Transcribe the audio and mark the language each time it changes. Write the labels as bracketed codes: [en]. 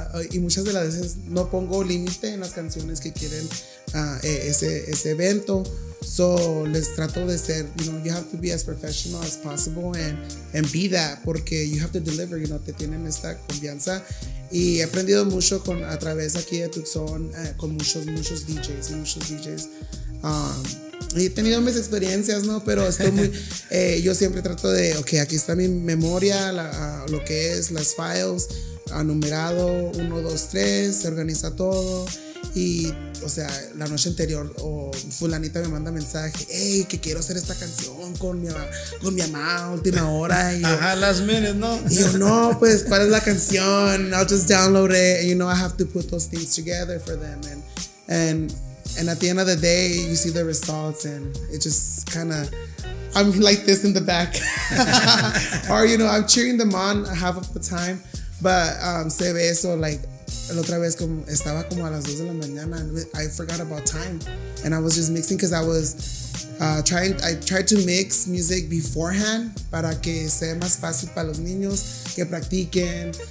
[es] Y muchas de las veces no pongo límite en las canciones que quieren ese evento. [en] So, [es] les trato de ser, [en] you know, you have to be as professional as possible and be that, [es] porque [en] you have to deliver, you know, [es] te tienen esta confianza. Y he aprendido mucho con, a través aquí de Tucson, con muchos DJs y muchos DJs. Y he tenido mis experiencias, ¿no? Pero estoy muy, yo siempre trato de, ok, aquí está mi memoria, lo que es, las files, numerado, 1, 2, 3, se organiza todo. Y, o sea, la noche anterior, o fulanita me manda mensaje, hey, que quiero hacer esta canción con mi mamá, última hora. Y yo, ajá, [en] last minute, [es] ¿no? Y yo, no, pues, ¿cuál es la canción? [en] I'll just download it, and you know, I have to put those things together for them. And at the end of the day, you see the results, and it just kind of, I'm like this in the back. Or, you know, I'm cheering them on half of the time, but [es] se ve eso, [en] like, [es] la otra vez como estaba como a las 2 de la mañana [en] and I forgot about time and I was just mixing because I was I tried to mix music beforehand [es] para que sea más fácil para los niños que practiquen.